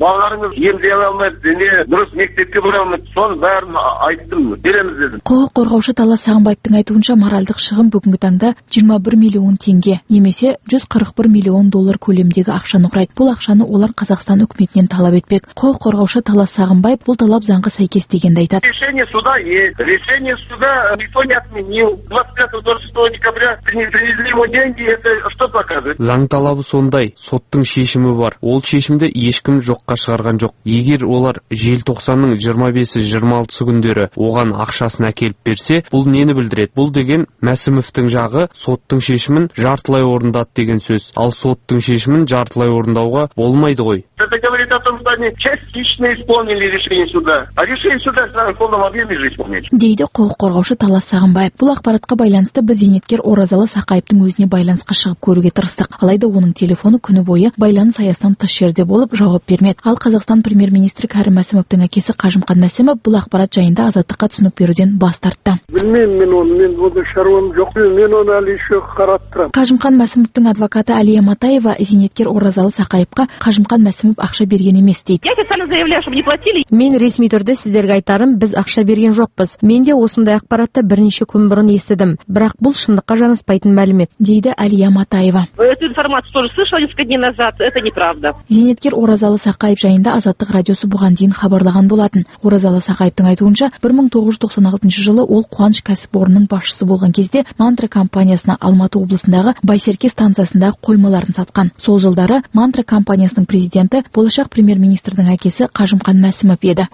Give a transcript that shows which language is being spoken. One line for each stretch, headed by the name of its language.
Kazakh: Балаларыңыз емделе алмайды, дене дұрыс мектепке бара алмайды, соның бәрін айттым, береміз дедім. Құқық қорғаушы Талас Сағынбаевтың айтуынша, моральдық шығын бүгінгі таңда 21 миллион теңге, немесе 141 миллион доллар көлеміндегі ақшаны құрайды. Бұл ақшаны олар Қазақстан үкіметінен талап етпек. Құқық қорғаушы Талас Сағынбаев бұл талап заңға сәйкес дегенді айтады.
Russian: Решение суда никто не отменил. 25-26 декабря принесли ему деньги. Это что показывает?
Kazakh: Заң талабы сондай. Соттың шешімі бар. Ол шешімді ешкім жоққа шығарған жоқ. Егер олар 90-ның 25-26 күндері оған ақшасын әкеліп берсе, бұл нені білдіреді? Бұл деген Мәсімовтің жағы соттың шешімін жартылай орындады деген сөз. Ал соттың шешімін жартылай орындауға болмайды ғой.
Russian: Это говорит о том, что они частично исполнили решение суда. А решение суда в полном объеме же исполнять.
Kazakh: Дейді құқық қорғаушы Талас Сағынбаев. Бұл ақпаратқа байланысты біз зейнеткер Оразалы Сақаевтың өзіне байланысқа шығып көруге тырыстық. Алайда оның телефоны күні бойы байланыс аясынан тыс жерде болып, жауап бермеді. Ал Қазақстан премьер-министрі Кәрім Мәсімовтің әкесі Қажымқан Мәсімов бұл ақпарат жайында Азаттыққа түсінік беруден бас тартты. Білмеймін мен оны, мен оны шаруам жоқ, мен оны әлі еще қараттырам. Қажымқан Мәсімовтің адвокаты Әлия Матаева зейнеткер Оразалы Сақаевқа Қажымқан Мәсімов ақша берген емес дейді. Мен ресми түрде сіздерге айтарым, біз ақша берген жоқпыз. Мен де осындай ақпаратты бірнеше күн бұрын естідім, бірақ бұл шындыққа жанаспайтын мәлімет, дейді Әлия Матаева.
Russian: Эту информацию тоже слышала несколько дней назад, это неправда.
Kazakh: Зейнеткер Оразалы Сақаев жайында Азаттық радиосы бұған дейін хабарлаған болатын. Оразалы Сақаевтың айтуынша, 1996 жылы ол Қуаныш кәсіпорнының басшысы болған кезде Мантра компаниясына Алматы облысындағы Байсерке станциясында қоймаларын сатқан. Сол жылдары Мантра компаниясының президенті болашақ премьер-министрдің әкесі Қажымқан Мәсімов еді.